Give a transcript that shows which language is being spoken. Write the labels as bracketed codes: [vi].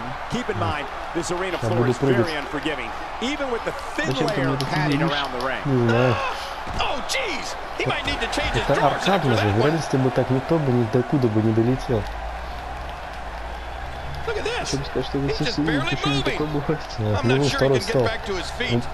[en] Keep in mind, this arena floor is very unforgiving, even with the thin layer of padding around the ring. Oh, jeez! He might need to change his drawers after that one. [ru] Если бы так, никто бы ни до куда бы не долетел. [en] Look at this! He's just barely moving. I'm not sure he can get back to his feet.